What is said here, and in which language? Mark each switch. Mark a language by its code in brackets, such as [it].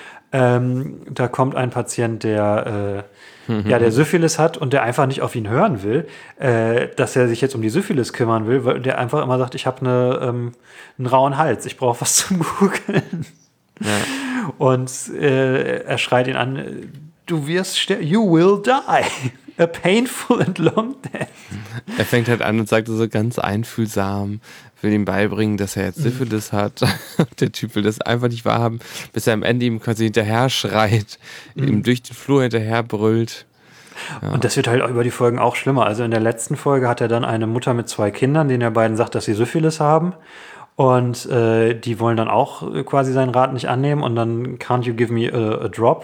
[de] Da kommt ein Patient, der der Syphilis hat und der einfach nicht auf ihn hören will, dass er sich jetzt um die Syphilis kümmern will, weil der einfach immer sagt, ich habe einen rauen Hals, ich brauche was zum Gurgeln. Und er schreit ihn an, du wirst sterben, [en] you will die. A painful and long death. [de] Er fängt halt an und sagt so ganz einfühlsam, will ihm beibringen, dass er jetzt Syphilis hat. Der Typ will das einfach nicht wahrhaben, bis er am Ende ihm quasi hinterher schreit, ihm durch den Flur hinterher brüllt. Ja. Und das wird halt auch über die Folgen auch schlimmer. Also in der letzten Folge hat er dann eine Mutter mit zwei Kindern, denen er beiden sagt, dass sie Syphilis haben. Und die wollen dann auch quasi seinen Rat nicht annehmen. Und dann, [en] can't you give me a drop?